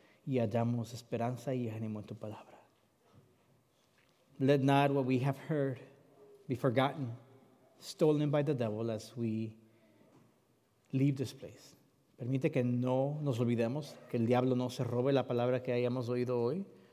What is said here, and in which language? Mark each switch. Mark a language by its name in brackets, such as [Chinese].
[Spanish] Y hallamos esperanza y ánimo en tu palabra. [English] Let not what we have heard be forgotten, stolen by the devil as we leave this place. [Spanish] Permite que no nos olvidemos, que el diablo no se robe la palabra que hayamos oído hoy.